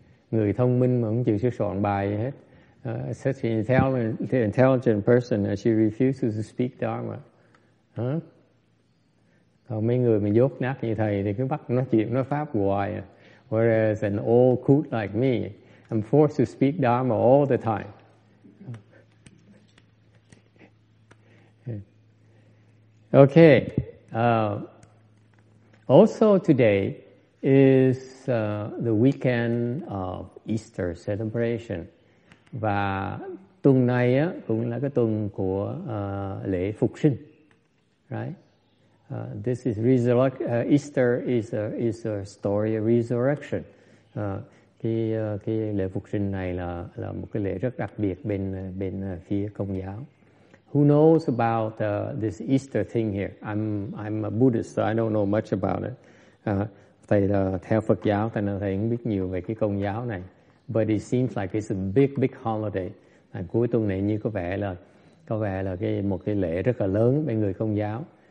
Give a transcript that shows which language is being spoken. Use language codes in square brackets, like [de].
[vi] Người thông minh mà không chịu sửa soạn bài hết. [en] Such an intelligent person, she refuses to speak Dharma. Huh? [vi] Còn mấy người mà dốt nát như thầy thì cứ bắt nói chuyện, nói pháp hoài. [en] Whereas an old coot like me, I'm forced to speak Dharma all the time. Okay. Also today is the weekend of Easter celebration. [vi] Và tuần này á, cũng là cái tuần của lễ phục sinh, right? [en] This is Easter is a story of resurrection. [vi] Cái lễ phục sinh này là một cái lễ rất đặc biệt bên phía Công giáo. [en] Who knows about this Easter thing here? I'm a Buddhist, so I don't know much about it. [vi] Thầy theo Phật giáo, thầy không biết nhiều về cái Công giáo này. [en] But it seems like it's a big holiday. [vi] Cuối tuần này như có vẻ là một cái lễ rất là lớn bên người Công giáo.